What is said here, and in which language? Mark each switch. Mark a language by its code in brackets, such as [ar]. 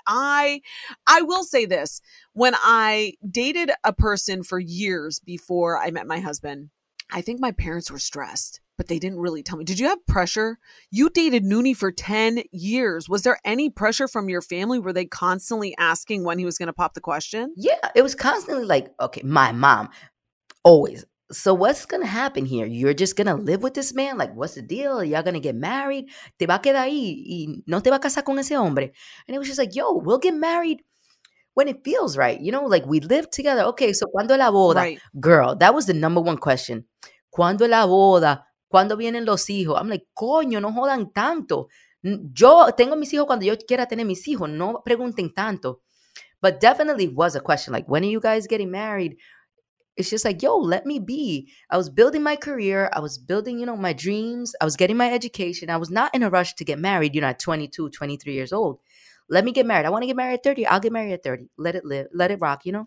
[en] I will say this. When I dated a person for years before I met my husband, I think my parents were stressed, but they didn't really tell me. Did you have pressure? You dated Noonie for 10 years. Was there any pressure from your family? Were they constantly asking when he was going to pop the question? Yeah, it was constantly like, okay, my mom, always. So what's going to happen here? You're just going to live with this man? Like, what's the deal? Y'all going to get married? [es] Te va a quedar ahí y no te va a casar con ese hombre. [en] And it was just like, yo, we'll get married when it feels right. You know, like we live together. Okay, so [es] ¿cuándo la boda? [en] Right. Girl, that was the number one question. [es] ¿Cuándo la boda? ¿Cuándo vienen los hijos? [en] I'm like, [es] coño, no jodan tanto. Yo tengo mis hijos cuando yo quiera tener mis hijos. No pregunten tanto. [en] But definitely was a question like, when are you guys getting married? It's just like, yo, let me be. I was building my career. I was building, you know, my dreams. I was getting my education. I was not in a rush to get married, you know, at 22, 23 years old. Let me get married. I want to get married at 30. I'll get married at 30. Let it live. Let it rock, you know?